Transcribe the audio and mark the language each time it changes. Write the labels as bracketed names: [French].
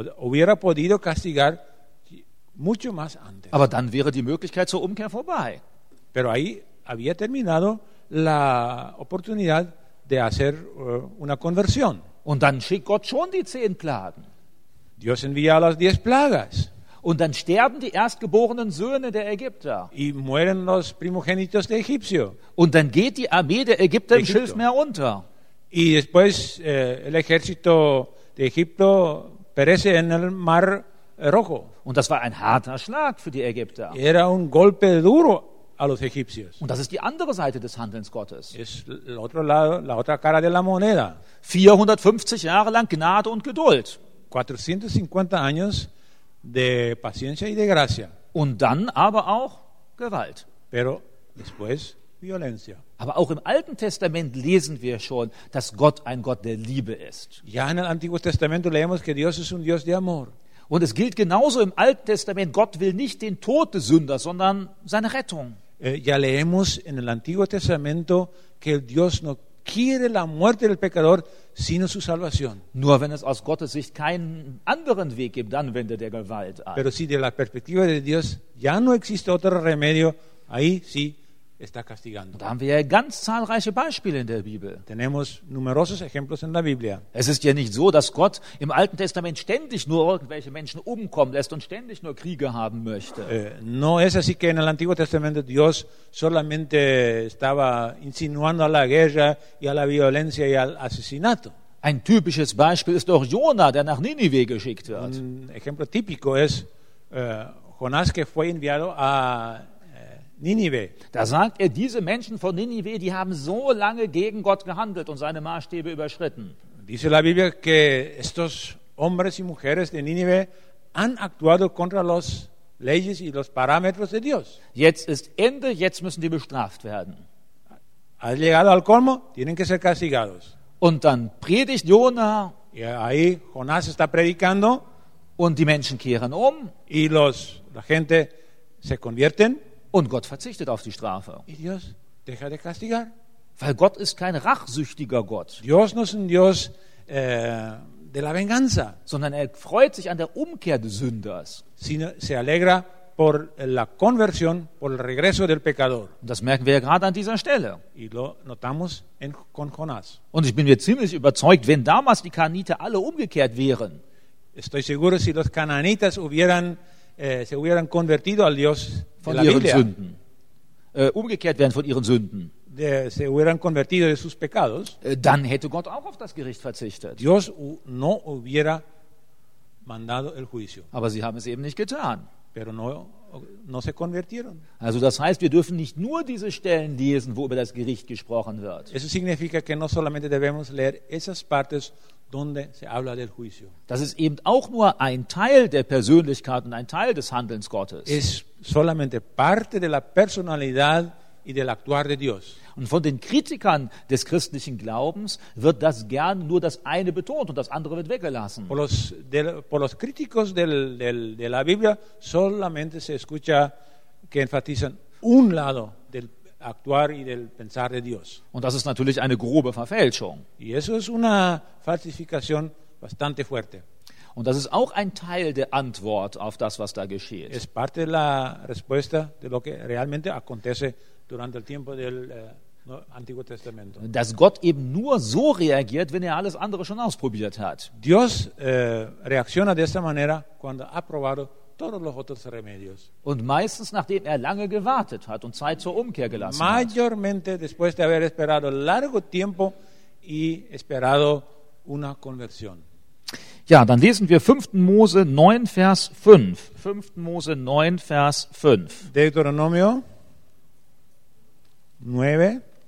[Spanish] Hubiera podido castigar mucho más antes. [German] Aber dann wäre die Möglichkeit zur Umkehr vorbei. [Spanish] Pero ahí había terminado la oportunidad de hacer una conversión. [German] Und dann schickt Gott schon die 10 Plagen. [Spanish] Dios envía las 10 plagas. [German] Und dann sterben die erstgeborenen Söhne der Ägypter. [Spanish] Y mueren los primogénitos de Egipcio. [German] Und dann geht die Armee der Ägypter im Schilfmeer unter. [Spanish] Y después el ejército de Egipto perece en el mar rojo. [German] Und das war ein harter Schlag für die Ägypter. [Spanish] Era un golpe duro a los egipcios. [German] Und das ist die andere Seite des Handelns Gottes. [Spanish] Es el otro lado, la otra cara de la moneda. [German] 450 Jahre lang Gnade und Geduld. [Spanish] 450 años de paciencia y de gracia. [German] Und dann aber auch Gewalt. [Spanish] Pero después violencia. [German] Aber auch im Alten Testament lesen wir schon, dass Gott ein Gott der Liebe ist. [Spanish] Ya en el Antiguo Testamento leemos que Dios es un Dios de amor. [German] Und es gilt genauso im Alten Testament, Gott will nicht den Tod des Sünders, sondern seine Rettung. [Spanish] Ya leemos en el Antiguo Testamento que Dios no quiere la muerte del pecador, sino su salvación. [German] Nur wenn es aus Gottes Sicht keinen anderen Weg gibt, dann wendet er Gewalt an. [Spanish] Pero si de la perspectiva de Dios ya no existe otro remedio, ahí sí. Está castigando. [German] Da haben wir ja ganz zahlreiche Beispiele in der Bibel. [Spanish] Tenemos numerosos ejemplos en la Biblia. [German] Es ist ja nicht so, dass Gott im Alten Testament ständig nur irgendwelche Menschen umkommen lässt und ständig nur Kriege haben möchte. [Spanish] No es así que en el Antiguo Testamento Dios solamente estaba insinuando a la guerra y a la violencia y al asesinato. [German] Ein typisches Beispiel ist auch Jona, der nach Ninive geschickt wird. [Spanish] Un ejemplo típico es Jonás, que fue enviado a Ninive. [German] Da sagt er, diese Menschen von Ninive, die haben so lange gegen Gott gehandelt und seine Maßstäbe überschritten. [Spanish] Dice la Biblia que estos hombres y mujeres de Ninive han actuado contra las leyes y los parámetros de Dios. [German] Jetzt ist Ende, jetzt müssen die bestraft werden. [Spanish] Ha llegado al colmo, tienen que ser castigados. [German] Und dann predigt Jonah. [Spanish] Y ahí Jonás está predicando. [German] Und die Menschen kehren um. [Spanish] Y la gente se convierten. [German] Und Gott verzichtet auf die Strafe. [Spanish] Dios deja de castigar. [German] Weil Gott ist kein rachsüchtiger Gott. [Spanish] Dios no es un Dios de la venganza. [German] Sondern er freut sich an der Umkehr des Sünders. [Spanish] Se alegra por la conversión, por el regreso del pecador. [German] Und das merken wir ja gerade an dieser Stelle. [Spanish] Y lo notamos con Jonás. [German] Und ich bin mir ziemlich überzeugt, wenn damals die Kanaaniter alle umgekehrt wären. [Spanish] Estoy seguro, si los cananitas se hubieran convertido al Dios [German] von ihren Sünden. Umgekehrt werden von ihren Sünden. [Spanish] Se hubieran convertido de sus pecados. [German] Dann hätte Gott auch auf das Gericht verzichtet. [Spanish] Dios no hubiera mandado el juicio. [German] Aber sie haben es eben nicht getan. [Spanish] Pero no se convirtieron. [German] Also das heißt, wir dürfen nicht nur diese Stellen lesen, wo über das Gericht gesprochen wird. [Spanish] Eso significa que no solamente debemos leer esas partes donde se habla del juicio. [German] Das ist eben auch nur ein Teil der Persönlichkeit und ein Teil des Handelns Gottes. [Spanish] Es solamente parte de la personalidad y del actuar de Dios. [German] Und von den Kritikern des christlichen Glaubens wird das gern nur das eine betont und das andere wird weggelassen. [Spanish] Por los críticos de la Biblia solamente se escucha que enfatizan un lado del actuar y del pensar de Dios. [German] Und das ist natürlich eine grobe Verfälschung. [Spanish] Y eso es una falsificación bastante fuerte. [German] Und das ist auch ein Teil der Antwort auf das, was da geschieht. [Spanish] Es parte de la respuesta de lo que realmente acontece durante el tiempo del Antiguo Testamento. [German] Dass Gott eben nur so reagiert, wenn er alles andere schon ausprobiert hat. [Spanish] Dios reacciona de esta manera cuando ha probado todos los otros remedios. [German] Und meistens, nachdem er lange gewartet hat und Zeit zur Umkehr gelassen [Spanish] Mayormente [German] hat. [Spanish] Después de haber esperado largo tiempo y esperado una conversión. [German] Ja, dann lesen wir 5. Mose 9, Vers 5. 5. Mose 9, Vers 5. [Spanish] Deuteronomio 9.